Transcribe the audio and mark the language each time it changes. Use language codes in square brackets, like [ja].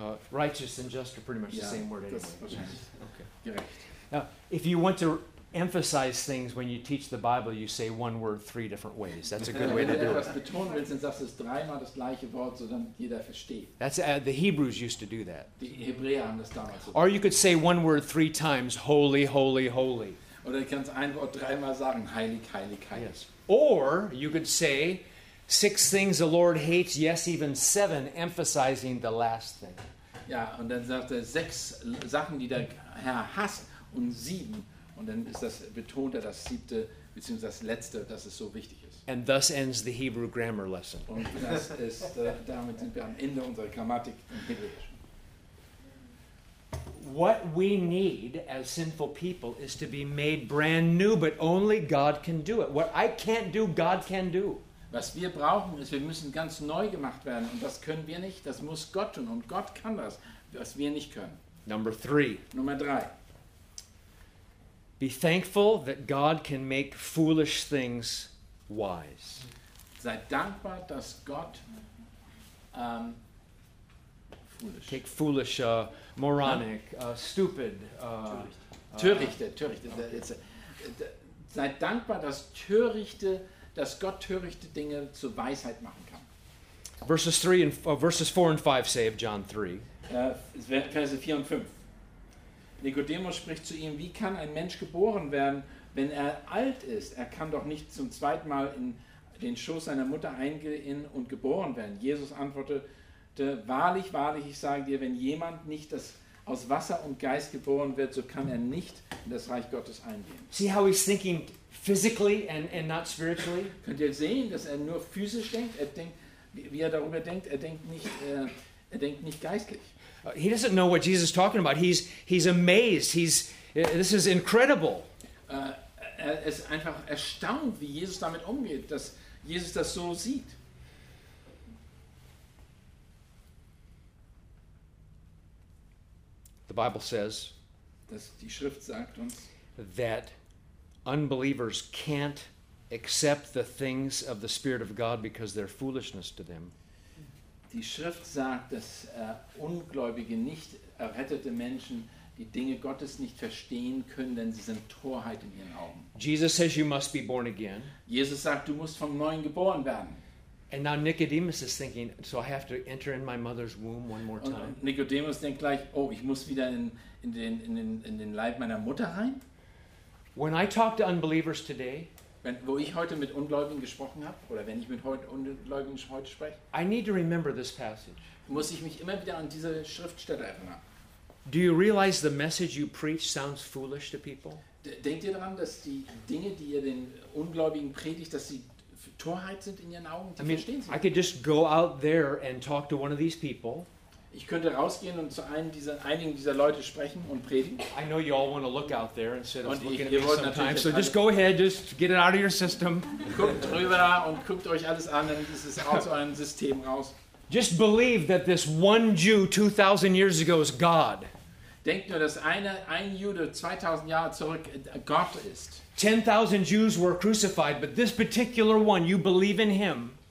[en] Righteous and just are pretty much the same word anyway. [de] Okay. Gerecht. [en] Now, if you want to emphasize things when you teach the Bible, you say one word three different ways. That's a good way to do it. [de] Wenn du etwas betonen willst, dann sagst du es dreimal das gleiche Wort, so dann jeder versteht. [en] The Hebrews used to do that. [de] Die Hebräer haben das damals. [en] Or you could say one word three times, holy, holy, holy. [de] Oder du kannst ein Wort dreimal sagen, heilig, heilig, heilig. [en] Yes. Or you could say six things the Lord hates, yes, even seven, emphasizing the last thing. [de] Ja, und dann sagt er sechs Sachen, die der Herr hasst, und sieben. Und dann ist das, betont er das siebte, beziehungsweise das letzte, dass es so wichtig ist. [en] And thus ends the Hebrew grammar lesson. [de] Und das ist, damit sind wir am Ende unserer Grammatik im Hebräischen. [en] What we need as sinful people is to be made brand new, but only God can do it. What I can't do, God can do. [de] Was wir brauchen ist, wir müssen ganz neu gemacht werden. Und das können wir nicht, das muss Gott tun. Und Gott kann das, was wir nicht können. [en] Number three. [de] Nummer drei. [en] Be thankful that God can make foolish things wise. [de] Sei dankbar, dass Gott foolish. [en] Take foolish, moronic, stupid. [de] Törichte. Okay. Sei dankbar, dass Gott törichte Dinge zur Weisheit machen kann. [en] Verses 4 and 5 say of John [de] 3. Verse 4 und 5. Nikodemus spricht zu ihm, wie kann ein Mensch geboren werden, wenn er alt ist? Er kann doch nicht zum zweiten Mal in den Schoß seiner Mutter eingehen und geboren werden. Jesus antwortete, wahrlich, wahrlich, ich sage dir, wenn jemand nicht das aus Wasser und Geist geboren wird, so kann er nicht in das Reich Gottes eingehen. [en] See how he's thinking physically and not spiritually? [de] Könnt ihr sehen, dass er nur physisch denkt? Er denkt, wie er darüber denkt, er denkt nicht geistlich. He doesn't know what Jesus is talking about. He's amazed. This is incredible. Er ist einfach erstaunt, wie Jesus damit umgeht, dass Jesus das so sieht. [en] The Bible says, [de] dass die Schrift sagt uns, [en] that unbelievers can't accept the things of the Spirit of God because they're foolishness to them. [de] Die Schrift sagt, dass Ungläubige, nicht errettete Menschen die Dinge Gottes nicht verstehen können, denn sie sind Torheit in ihren Augen. [en] Jesus says you must be born again. [de] Jesus sagt, du musst vom Neuen geboren werden. [en] And now Nicodemus is thinking, so I have to enter in my mother's womb one more time. [de] Und Nicodemus denkt gleich, oh, ich muss wieder in den Leib meiner Mutter rein. [en] When I talk to unbelievers today, [de] wo ich heute mit Ungläubigen gesprochen habe, oder wenn ich mit Ungläubigen heute spreche, [en] I need to remember this passage. [de] Muss ich mich immer wieder an diese Schriftstelle erinnern. [en] Do you realize the message you preach sounds foolish to people? [de] Denkt ihr daran, dass die Dinge, die ihr den Ungläubigen predigt, dass sie Torheit sind in ihren Augen? Verstehen sie? [en] I could just go out there and talk to one of these people. [de] Ich könnte rausgehen und zu einigen dieser Leute sprechen und predigen. [en] I know you all want to look out there instead of [de] und [en] looking at me sometimes. So just go ahead, just get it out of your system. [de] Guckt drüber und guckt euch alles an, dann ist es aus eurem System raus. [en] Just believe that this one Jew 2,000 years ago is God. [de] Denkt nur, dass ein Jude 2,000 Jahre zurück Gott ist. [en] 10,000 Jews were crucified, but this particular one, you believe in him.